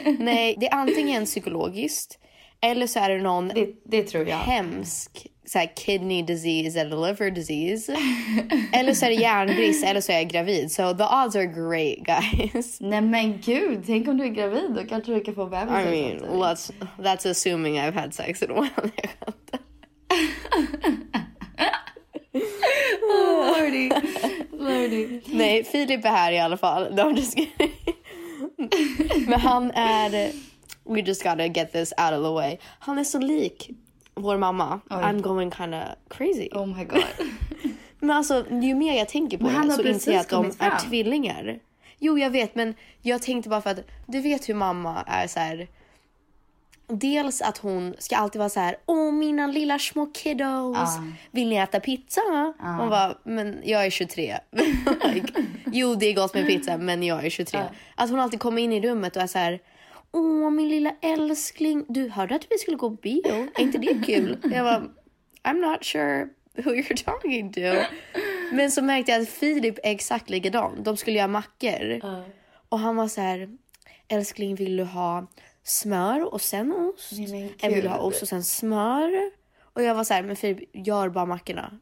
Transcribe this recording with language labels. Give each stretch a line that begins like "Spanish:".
Swedish: Nej, det är antingen psykologiskt eller så är det någon det tror jag. Hemsk. Så här,
English: kidney disease
Swedish: eller
English: liver disease.
Swedish: Eller så är det hjärnbrist. Eller så är jag gravid.
English: So the odds are great guys.
Swedish: Nej men gud, tänk om du är gravid. Då kanske du kan få bebis.
English: I mean, that's assuming I've had sex in a while. Oh, lordy.
Swedish: Nej, Filip är här i alla fall.
English: No, I'm just kidding.
Swedish: Men han är...
English: We just gotta get this out of the way.
Swedish: Han är så lik... Vår mamma. Oj.
English: I'm going kind of crazy. Oh my god.
Swedish: Men alltså, ju mer jag tänker på det så inser jag att de är tvillingar. Jo, jag vet, men jag tänkte bara för att du vet hur mamma är så här. Dels att hon ska alltid vara så här, åh, mina lilla små kiddos. Vill ni äta pizza? Hon bara, men jag är 23. Jo, det är gott med pizza, men jag är 23. Att hon alltid kommer in i rummet och är så här, åh, min lilla älskling. Du hörde att vi skulle gå på bio. Är inte det kul? Jag bara,
English: I'm not sure who you're talking to.
Swedish: Men så märkte jag att Filip är exakt likadan. De skulle göra mackor. Och han var så här, älskling, vill du ha smör och sen ost? Eller vill du ha ost och sen smör? Och jag var så här, men Filip, gör bara mackorna.